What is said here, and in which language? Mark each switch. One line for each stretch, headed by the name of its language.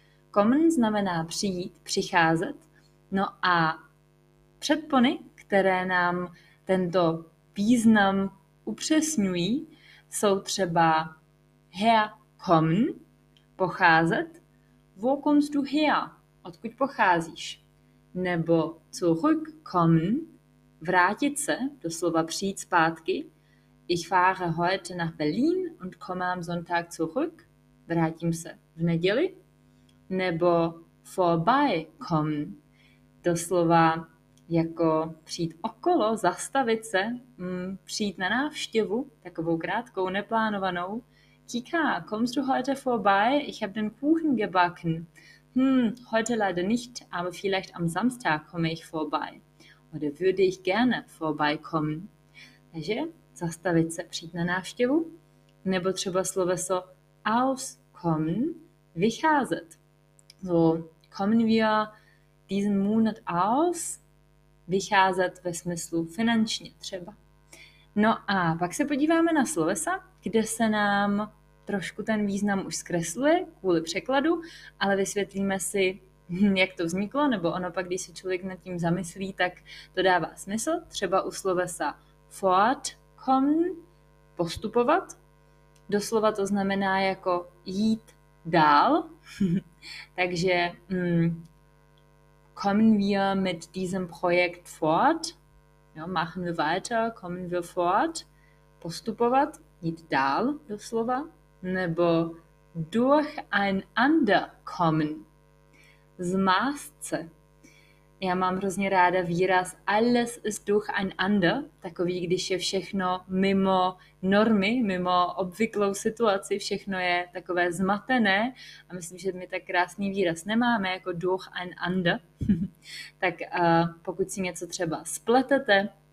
Czech: Kommen znamená přijít, přicházet. No a předpony, které nám tento význam upřesňují, jsou třeba herkommen, pocházet,
German: wo kommst du her,
Czech: odkud pocházíš, nebo zurückkommen, vrátit se, doslova přijít zpátky,
German: ich fahre heute nach Berlin und komme am Sonntag zurück,
Czech: vrátím se v neděli, nebo vorbeikommen, doslova jako přijít okolo, zastavit se, přijít na návštěvu, takovou krátkou, neplánovanou.
German: Kika, kommst du heute vorbei? Ich habe den Kuchen gebacken. Heute leider nicht, aber vielleicht am Samstag komme ich vorbei. Oder würde ich gerne vorbeikommen.
Czech: Takže zastavit se, přijít na návštěvu. Nebo třeba sloveso auskommen, vycházet.
German: So, kommen wir diesen Monat aus?
Czech: Vycházet ve smyslu finančně třeba. No a pak se podíváme na slovesa, kde se nám trošku ten význam už zkresluje kvůli překladu, ale vysvětlíme si, jak to vzniklo, nebo ono pak, když se člověk nad tím zamyslí, tak to dává smysl. Třeba u slovesa fortkommen, postupovat, doslova to znamená jako jít dál, takže
German: kommen wir mit diesem Projekt fort? Jo, machen wir weiter, kommen wir fort?
Czech: Postupovat, jít dál doslova. Nebo durcheinander kommen. Zmást se. Já mám hrozně ráda výraz
German: alles ist durcheinander,
Czech: takový, když je všechno mimo normy, mimo obvyklou situaci, všechno je takové zmatené a myslím, že my tak krásný výraz nemáme jako durcheinander. Tak pokud si něco třeba spletete,